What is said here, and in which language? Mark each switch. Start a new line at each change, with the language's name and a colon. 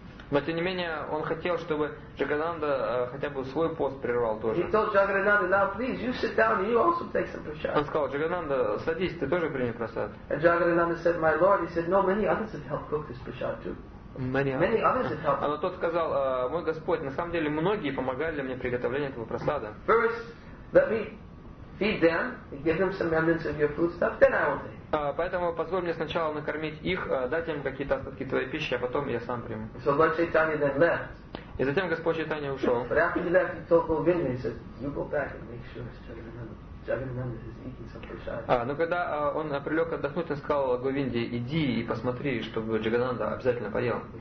Russian: Но тем не менее, он хотел, чтобы Джагананда хотя бы свой пост прервал тоже. Он сказал, Джагананда, садись, ты тоже прими просад.
English: And Jagannanda said, my lord, he said, no, many others have helped cook this prasad too. Many others have helped.
Russian: А но тот сказал, мой Господь, на самом деле многие помогали мне в приготовлении этого просада.
English: First, let me feed them, give them some remnants of your foodstuff, then I will take.
Russian: Поэтому позволь мне сначала накормить их, дать им какие-то остатки твоей пищи, а потом я сам приму.
English: So Lord Chaitanya then left.
Russian: И затем Господь Чайтанья ушел.
English: But after he left, he told Govinda, he said, you go back and make sure it's Jagannanda.
Russian: Но когда он прилег отдохнуть, он сказал Говинде, иди и посмотри, чтобы Джагананда обязательно поел.